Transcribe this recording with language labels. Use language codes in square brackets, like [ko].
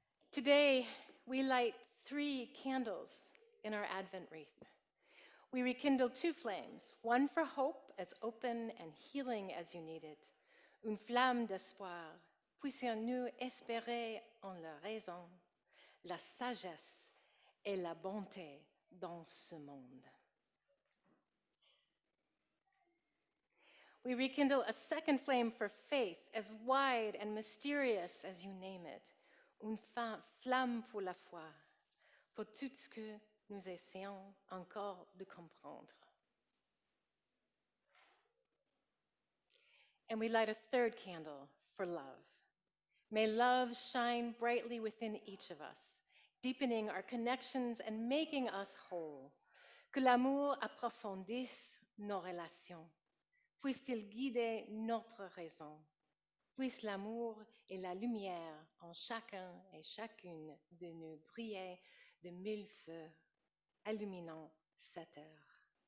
[en] Today, we light 3 candles in our Advent wreath. We rekindle 2 flames, one for hope as open and healing as you need it. [fr] Une flamme d'espoir, puissions-nous espérer en la raison, la sagesse et la bonté dans ce monde. [en] We rekindle a 2nd flame for faith as wide and mysterious as you name it. [fr] Une flamme pour la foi, pour tout ce que nous essayons encore de comprendre. [en] And we light a 3rd candle for love. May love shine brightly within each of us, deepening our connections and making us whole. [fr] Que l'amour approfondisse nos relations, puisse-t-il guider notre raison. Puisse l'amour et la lumière en chacun et chacune de nous briller de 1000 feux, illuminant 7 heures.